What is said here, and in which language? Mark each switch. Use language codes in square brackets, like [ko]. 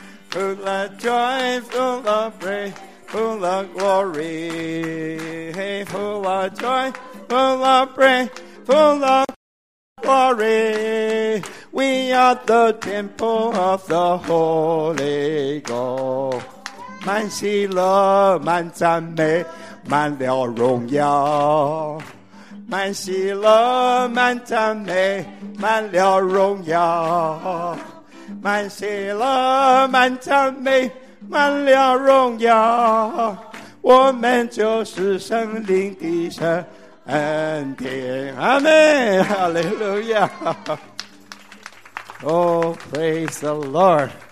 [en] Full of joy, full of praise. Full of glory, hey, full of joy, full of praise, full of glory. We are the temple of the Holy Ghost. [zh] 满喜乐，满赞美，满了荣耀。满喜乐，满赞美，满了荣耀。满喜乐，满赞美。满了荣耀，我们就是圣灵的恩典。阿门，哈利路亚。 [en] Oh, praise the Lord.